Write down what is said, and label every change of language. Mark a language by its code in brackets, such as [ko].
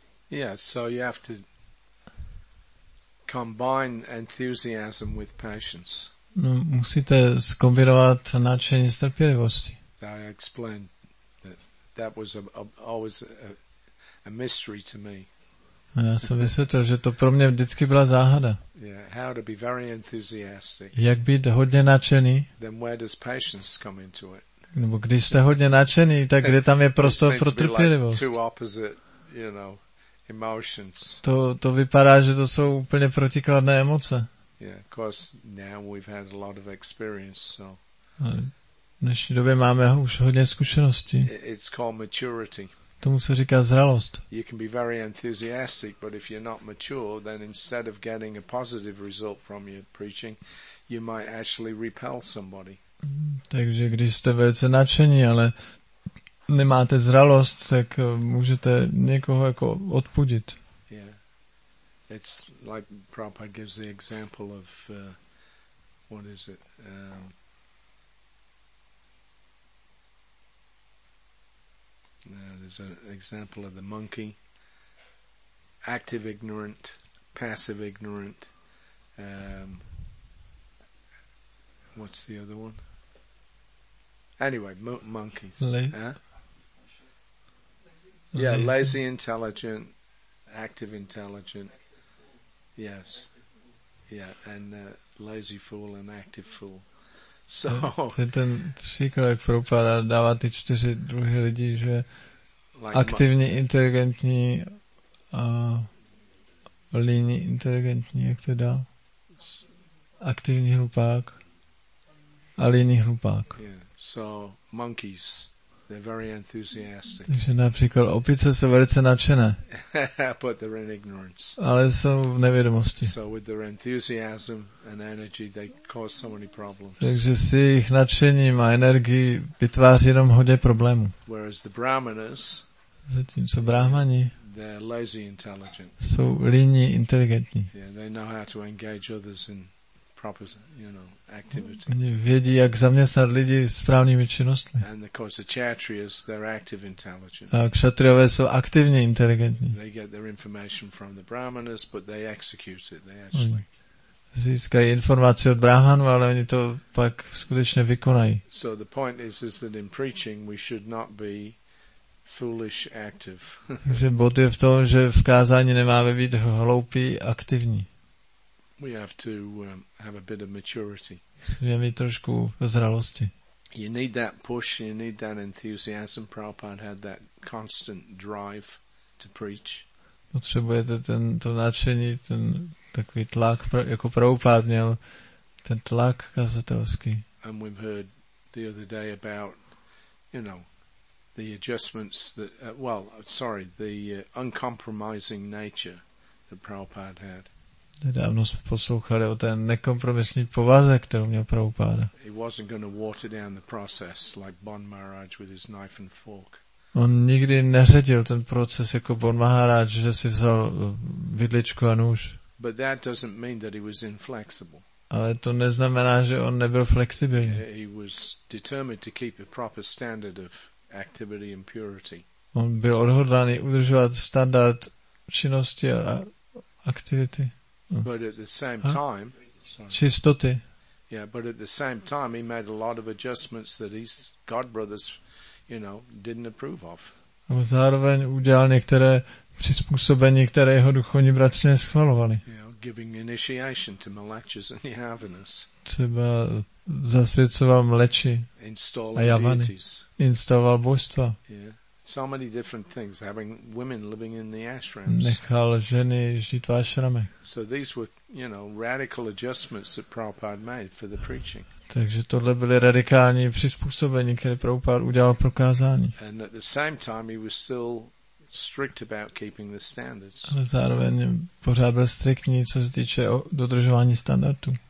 [en] Yeah, so you have to combine enthusiasm with patience. [cs] No, musíte zkombinovat nadšení s trpělivostí. [en] I explained that that was always a mystery to me. [cs] Já jsem vysvětlil, že to pro mě vždycky byla záhada. [en] Yeah, how to be very enthusiastic. [cs] Jak být hodně nadšený? [en] Then where does patience come into it? [cs] Nebo když jste hodně nadšený, tak kde tam je prostor pro trpělivost? [en] Like two opposite, you know, emotions. [cs] To vypadá, že to jsou úplně protikladné emoce. [en] Yeah, of course, now we've had a lot of experience, so... [cs] V dnešní době máme už hodně zkušeností. [en] It's called maturity. [cs] Tomu se říká zralost. [en] You can be very enthusiastic, but if you're not mature, then instead of getting a positive result from your preaching, you might actually repel somebody. [cs] Takže když jste velice nadšení, ale nemáte zralost, tak můžete někoho jako odpudit. [en] It's like Prabhupada gives the example of what is it? There's an example of the monkey. Active ignorant, passive ignorant. What's the other one? Anyway, monkeys. Lazy intelligent, active intelligent. Yes, yeah, and lazy fool and active fool. So. [cs] To je ten příklad, jak Prabhupada dává ty čtyři druhy lidí, že aktivní, inteligentní a líní inteligentní, jak to dá? Aktivní hlupák a líní hlupák. [en] Yeah. So monkeys, they're very enthusiastic. [cs] Takže například opice jsou velice nadšené. [en] But they're in ignorance. [cs] Ale jsou v nevědomosti. [en] So with their enthusiasm and energy, they cause so many problems. [cs] Takže s jejich nadšením a energií vytváří jenom hodně problémů. [en] Whereas the brahmanas, [cs] zatímco brahmani, [en] they're lazy intelligent. [cs] Jsou líní inteligentní. [en] Yeah, they know how to engage others in proper, you know, activity. [cs] Oni vědí, jak zaměstnat lidi správnými činnostmi. [en] And of course, the kshatriyas, they're active intelligent. [cs] A kshatriové jsou aktivně inteligentní. [en] They get their information from the brahmanas, but they execute it. They actually. [cs] Získají informaci od brahmanů, ale oni to pak skutečně vykonají. [en] So the point is that in preaching we should not be foolish active. [cs] Takže bod je v tom, že v kázání nemáme být hloupí aktivní. [en] We have to have a bit of maturity. [cs] Musíme trošku zralosti. [en] You need that push, you need that enthusiasm. Prabhupada had that constant drive to preach. [cs] Potřebujete ten to nadšení, ten takový tlak, jako Prabhupada měl ten tlak kazatelský. [en] And we've heard the other day about, you know, the adjustments that the uncompromising nature that Prabhupada had. [cs] Nedávno jsme poslouchali o té nekompromisní povaze, kterou měl Prabhupáda. [en] He wasn't going to water down the process like Bon Maharaj with his knife and fork. [cs] On nikdy neředil ten proces jako Bon Maharaj, že si vzal vidličku a nůž. [en] But that doesn't mean that he was inflexible. [cs] Ale to neznamená, že on nebyl flexibilní. [en] He was determined to keep a proper standard of activity and purity. [cs] On byl odhodlaný udržovat standard činnosti a aktivity. [en] But at the same time, [cs] čistoty. [en] Yeah, but at the same time he made a lot of adjustments that his God brothers, you know, didn't approve of. [cs] A zároveň udělal některé přizpůsobení, které jeho duchovní bratři neschvalovali. [en] Giving initiation to Mlečas and Yavanas. [cs] Třeba zasvěcoval Mleči a Yavany. Instaloval božstva. [en] So many different things, having women living in the ashrams. [cs] Nechal ženy žít v ašramech. [en] So these were, you know, radical adjustments that Prabhupada made for the preaching. [cs] Takže tohle byly radikální přizpůsobení, které Prabhupada udělal pro kázání. [en] And at the same time he was still strict about keeping the standards. [cs] Ale zároveň pořád byl striktní, co se týče dodržování standardů.